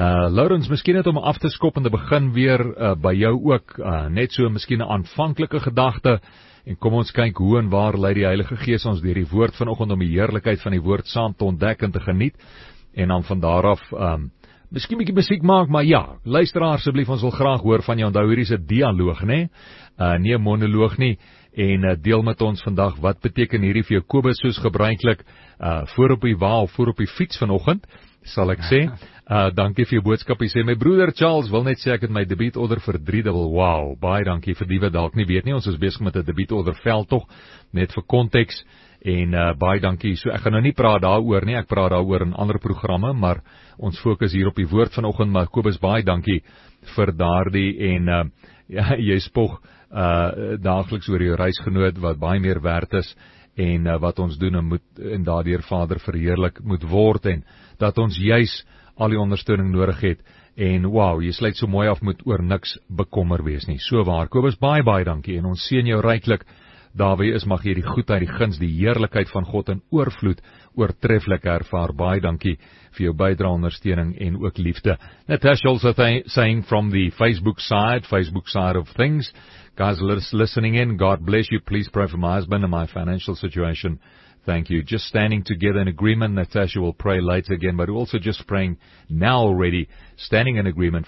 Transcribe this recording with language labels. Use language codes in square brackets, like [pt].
[af] Laurens, miskien het om af te skop en te begin weer by jou ook, net so miskien 'n aanvanklike gedagte, en kom ons kyk hoe en waar lei die Heilige Gees ons deur die woord vanoggend om die heerlikheid van die woord saam te ontdek en te geniet, en dan van daar af miskien bietjie musiek maak, maar ja, luister asseblief, ons wil graag hoor van jou. Onthou, hierdie is 'n dialoog, nê? Nie 'n monoloog nie. En deel met ons vandag, wat beteken hierdie vir jou? Kobus, soos gebruiklik, voor op die waal, voor op die fiets vanoggend, sal ek sê. Dankie vir jou boodskap. Hy sê, my broeder Charles wil net sê, ek het my debiet order vir 3-dubbel. Wow, baie dankie vir die wat dalk nie weet nie. Ons is besig met 'n debiet order veldtog, net vir konteks. En baie dankie. So ek gaan nou nie praat daaroor nie. Ek praat daaroor in ander programme, maar ons fokus hier op die woord vanoggend. Maar Kobus, baie dankie vir daardie en ja, jy spog dagliks oor jou reisgenoot wat baie meer werd is en wat ons doen en moet en daardeur Vader verheerlik moet word en dat ons juis al die ondersteuning nodig het en wow, jy sluit so mooi af moet oor niks bekommer wees nie. So waar Kobus, baie baie dankie en ons seën jou ryklik. Daarby is, mag jy die goedheid, die guns, die heerlikheid van God in oorvloed oortreflik ervaar. Baie dankie vir jou bydrae, ondersteuning en ook liefde. [en] Natasha also saying from the Facebook side of things. Guys, listening in, God bless you. Please pray for my husband and my financial situation. Thank you. Just standing together in agreement. Natasha will pray later again, but also just praying now already, standing in agreement.